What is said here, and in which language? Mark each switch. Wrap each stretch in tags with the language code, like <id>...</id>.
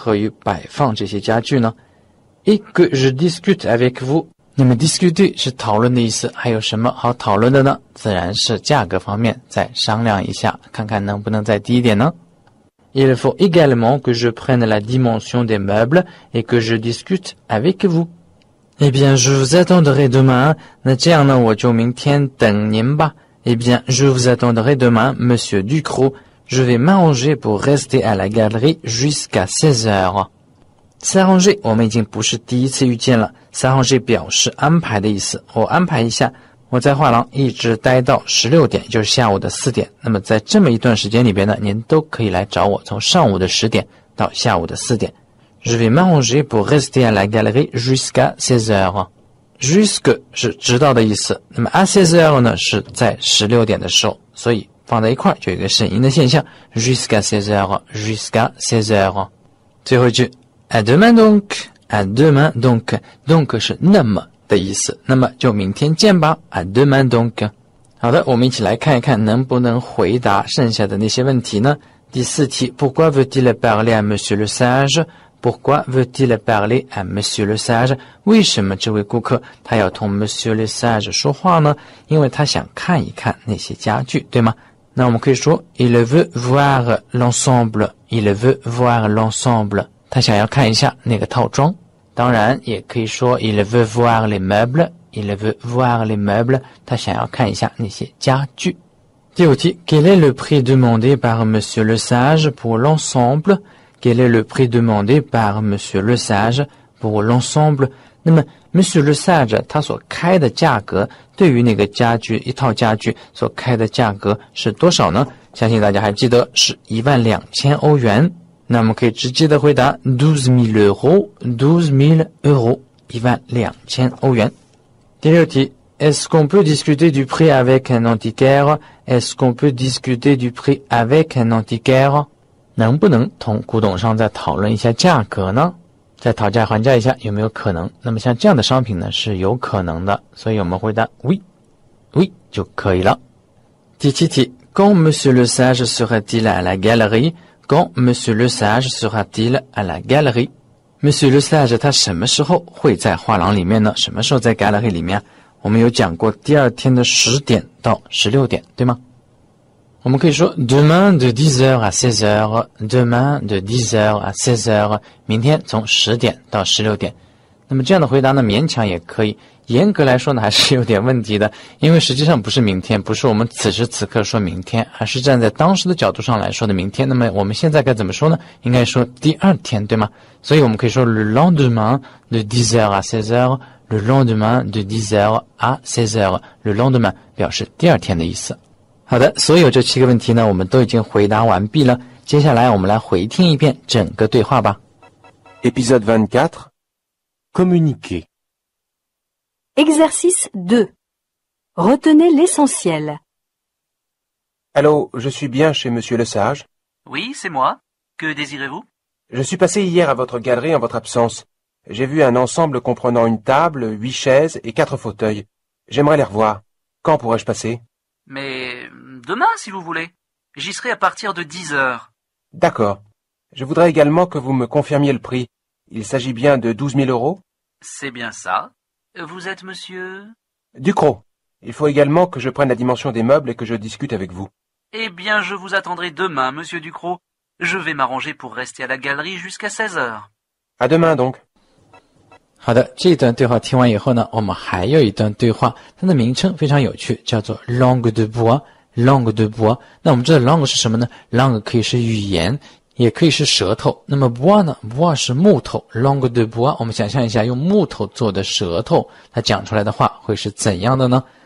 <zh>我还要取一下这些家具的尺寸，那么具体指什么呢？指量一量那些尺寸究竟是多少，那么可以考虑一下我放在什么位置上，我家的什么位置比较适合于摆放这些家具呢？</zh> <fr>Et que je discute avec vous.</fr> <zh>那么discuter是讨论的意思，还有什么好讨论的呢？自然是价格方面，再商量一下，看看能不能再低一点呢？</zh> <fr>Il faut également que je prenne la dimension des meubles et que je discute avec vous. Eh bien, je vous attendrai demain.</fr> <zh>那这样呢, 我就明天等您吧。</zh> <fr>Eh bien, je vous attendrai demain, monsieur Ducrot. Je vais m'arranger pour rester à la galerie jusqu'à 16h.</fr> <zh>S'arranger, 我们已经不是第一次遇见了。S'arranger表示安排的意思。我安排一下, 我在画廊一直待到16点, 就是下午的4点。那么在这么一段时间里边呢, 您都可以来找我, 从上午的10点到下午的4点。</zh> <fr>Je vais m'arranger pour rester à la galerie jusqu'à 16h.</fr> <zh>Jusque 是直到的意思, 那么 à 16h 呢, 是在16点的时候, 所以放在一块就有一个省音的现象,</zh> <fr>jusqu'à 16h, jusqu'à 16h.</fr> <zh>最后一句,</zh> <fr>à demain donc, à demain donc,</fr> <zh>donc 是那么, 的意思。那么就明天见吧。</zh> <fr>À demain donc。</fr> <zh>好的，我们一起来看一看能不能回答剩下的那些问题呢？第四题</zh> <fr>，Pourquoi veut-il parler à Monsieur le Sage？ Pourquoi veut-il parler à Monsieur le Sage？</fr> <zh>为什么这位顾客他要同 Monsieur le Sage 说话呢？因为他想看一看那些家具，对吗？那我们可以说</zh> <fr>，Il veut voir l'ensemble。 Il veut voir l'ensemble。</fr> <zh>他想要看一下那个套装。当然，也可以说</zh> <fr>，Il veut voir les meubles。 Il veut voir les meubles。</fr> <zh>他想要看一下那些家具。第五题</zh> <fr>，Quel est le prix demandé par Monsieur le Sage pour l'ensemble？ Quel est le prix demandé par Monsieur le Sage pour l'ensemble？</fr> <zh>那么 Monsieur le Sage 他所开的价格，对于那个家具一套家具所开的价格是多少呢？相信大家还记得是12,000欧元。那我们可以直接的回答</zh> <fr>12,000 euros，</fr> <zh>12,000欧元。第六题</zh> <fr>，Est-ce qu'on peut discuter du prix avec un antiquaire？ Est-ce qu'on peut discuter du prix avec un antiquaire？</fr> <zh>能不能同古董商再讨论一下价格呢？再讨价还价一下有没有可能？那么像这样的商品呢是有可能的，所以我们回答 oui 就可以了。第七题 ，</zh> <fr>Quand Monsieur le Sage sera-t-il à la galerie？ Quand Monsieur le Sage sera-t-il à la galerie？</fr> <zh>Monsieur le Sage 他什么时候会在画廊里面呢？什么时候在 galerie 里面？我们有讲过第二天的10点到16点，对吗？我们可以说</zh> <fr>demain de 10h à 16h， demain de 10h à 16h，</fr> <zh>明天从10点到16点。那么这样的回答呢勉强也可以，严格来说呢还是有点问题的，因为实际上不是明天，不是我们此时此刻说明天，而是站在当时的角度上来说的明天。那么我们现在该怎么说呢？应该说第二天，对吗？所以我们可以说</zh> <fr>le lendemain de 10h à 16h， le lendemain de 10h à 16h， le lendemain</fr> <zh>表示第二天的意思。好的，所有这七个问题呢我们都已经回答完毕了，接下来我们来回听一遍整个对话吧。</zh> <fr>Episode 24 Communiquer Exercice 2 Retenez l'essentiel. Allô, je suis bien chez Monsieur le Sage. Oui, c'est moi. Que désirez-vous? Je suis passé hier à votre galerie en votre absence. J'ai vu un ensemble comprenant une table, 8 chaises et 4 fauteuils. J'aimerais les revoir. Quand pourrais-je passer? Mais demain, si vous voulez. J'y serai à partir de 10h. D'accord. Je voudrais également que vous me confirmiez le prix. Il s'agit bien de 12,000 euros? C'est bien ça. Vous êtes monsieur... Ducrot. Il faut également que je prenne la dimension des meubles et que je discute avec vous. Eh bien, je vous attendrai demain, monsieur Ducrot. Je vais m'arranger pour rester à la galerie jusqu'à 16h. À demain, donc.</fr> <zh>好的，这一段对话听完以后呢，我们还有一段对话，它的名称非常有趣，叫做</zh> <fr>langue de bois。 langue de bois，</fr> <zh>那我们知道 langue 是什么呢？langue 可以是语言，也可以是舌头。那么 bois 呢？bois 是木头。</zh> <fr>langue de bois，</fr> <zh>我们想象一下用木头做的舌头，它讲出来的话会是怎样的呢？</zh>